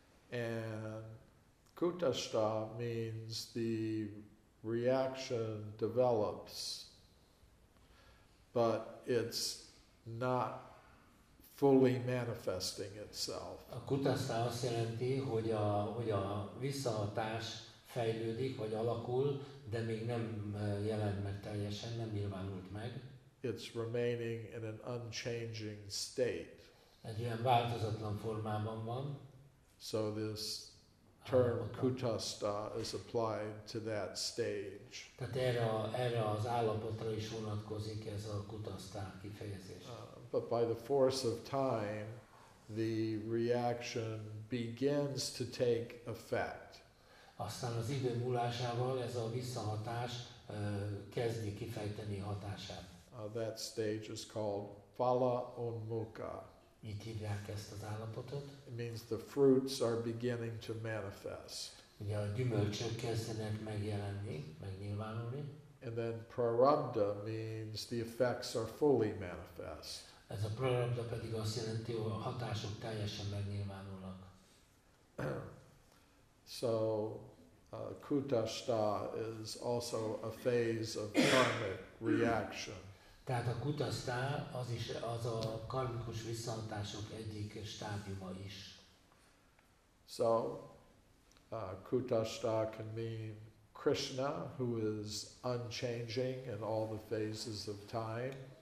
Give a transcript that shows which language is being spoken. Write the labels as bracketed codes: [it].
[en] And kutasta means the reaction develops, but it's not fully manifesting itself. [hu] A kutasta azt jelenti, hogy a visszahatás fejlődik, vagy alakul, de még nem jelent meg teljesen, nem nyilvánult meg. [en] It's remaining in an unchanging state. [hu] Egy ilyen változatlan formában van. [en] So this term kutasta is applied to that stage. [hu] Tehát erre az állapotra is vonatkozik ez a kutasta kifejezés. [en] But by the force of time, the reaction begins to take effect. [hu] Aztán az idő múlásával ez a visszahatás kezdi kifejteni hatását. [en] That stage is called phala unmuka. [hu] Így hívják ezt az állapotot. [en] It means the fruits are beginning to manifest. [hu] Ugye a gyümölcsök kezdenek megjelenni, megnyilvánulni. [en] And then prarabdha means the effects are fully manifest. [hu] Ez a prarabdha pedig azt jelenti, hogy a hatások teljesen megnyilvánulnak. [en] So, kutasta is also a phase of karmic reaction. [hu] Tehát a kutasta az is az a karmikus visszahatások egyik stádiuma is. [en] So, kutasta can mean Krishna, who is unchanging in all the phases of time.